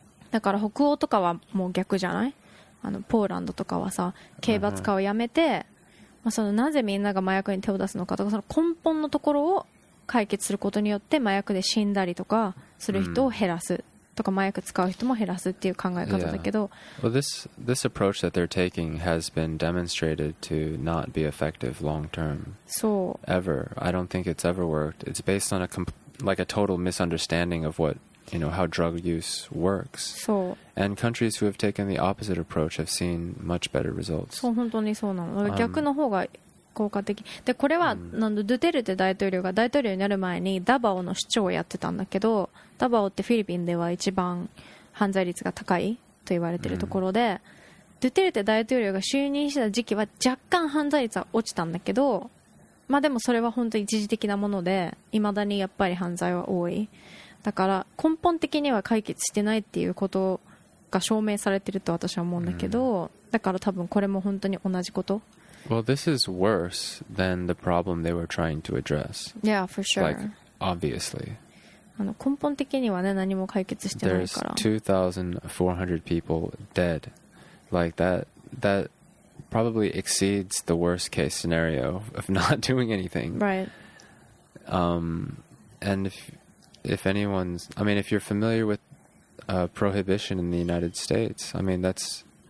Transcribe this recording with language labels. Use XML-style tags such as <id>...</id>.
<ja>だから北欧とかはもう逆じゃない？あのポーランドとかはさ、刑罰化をやめて、まあ、そのなぜみんなが麻薬に手を出すのかとか、その根本のところを解決することによって麻薬で死んだりとかする人を減らすとか、麻薬使う人も減らすっていう考え方だけど、</ja> <en>Well, this approach that they're taking has been demonstrated to not be effective long term.</en> <ja>そう。</ja> <en>Ever. I don't think it's ever worked. It's based on a total misunderstanding of what, you know, how drug use works.</en> <ja>そう。</ja> <en>And countries who have taken the opposite approach have seen much better results.</en> <ja>そう、本当にそうなの。逆の方が効果的。で、これは、ドゥテルテ大統領が大統領になる前にダバオの市長をやってたんだけど、ダバオってフィリピンでは一番犯罪率が高いと言われてるところで、ドゥテルテ大統領が就任した時期は若干犯罪率は落ちたんだけど、まあでもそれは本当に一時的なもので、未だにやっぱり犯罪は多い。だから根本的には解決してないっていうことが証明されてると私は思うんだけど、だから多分これも本当に同じこと。</ja> <en>Well, this is worse than the problem they were trying to address. Yeah, for sure. Like, obviously.</en> <ja>あの、根本的にはね、何も解決してないから。</ja> <en>There's 2,400 people dead. Like, that probably exceeds the worst case scenario of not doing anything. Right. And if anyone's... I mean, if you're familiar with prohibition in the United States, I mean, that's...</en>